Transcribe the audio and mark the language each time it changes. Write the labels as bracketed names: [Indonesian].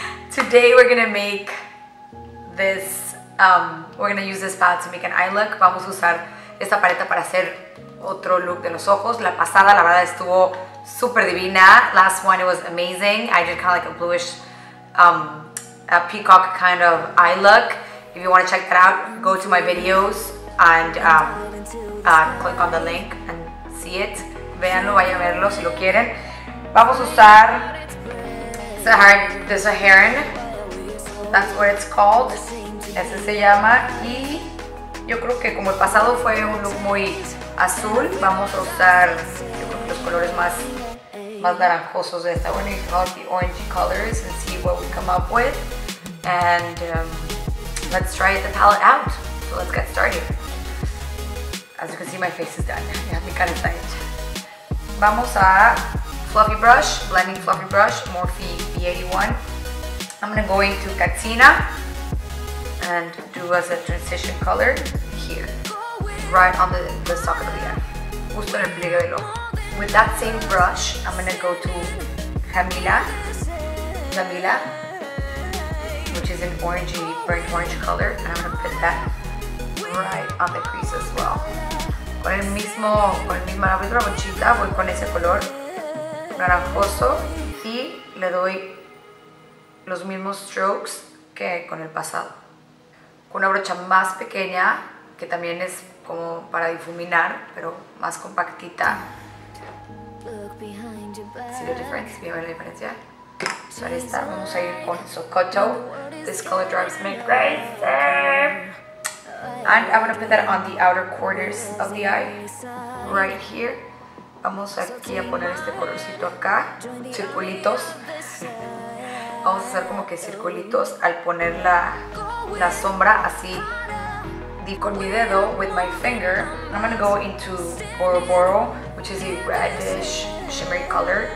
[English] Today we're gonna make this, we're gonna use this palette to make an eye look. [Spanish] Vamos a usar esta paleta para hacer otro look de los ojos. La pasada, la verdad, estuvo super divina. [English] Last one, it was amazing. I did kind of like a bluish, a peacock kind of eye look. If you want to check that out, go to my videos and click on the link and see it. [Spanish] Véanlo, vayan a verlo si lo quieren. Vamos a usar the Saharan. [English] That's what it's called. [Spanish] Ese se llama. Y yo creo que como el pasado fue un look muy azul, vamos a usar los colores más naranjosos de esta. [English] We're going to call it the orangey colors and see what we come up with. And let's try the palette out. So let's get started. As you can see, my face is done. Yeah, [Spanish] mi cara está hecha. Vamos a [English] fluffy brush, blending fluffy brush, Morphe B81. I'm gonna go into Katina and do as a transition color here, right on the socket of the eye. [Spanish] Justo en el pliegue del ojo. [English] With that same brush, I'm gonna go to Jamila, which is an orangey, bright orange color, and I'm gonna put that right on the crease as well. [Spanish] Con el mismo lápiz brochita, voy con ese color naranjoso y le doy los mismos strokes que con el pasado. Con una brocha más pequeña, que también es como para difuminar, pero más compactita. [English] See the difference? [Spanish] ¿Vieron la diferencia? Para esta vamos a ir con Socotto. [English] This color drives me crazy. And I'm gonna put that on the outer corners of the eye, right here. [Spanish] Vamos aquí a poner este colorcito acá, circulitos. Vamos a hacer como que circulitos al poner la sombra así. Y con mi dedo, [English] with my finger, I'm gonna go into Boro Boro, which is a reddish shimmery color.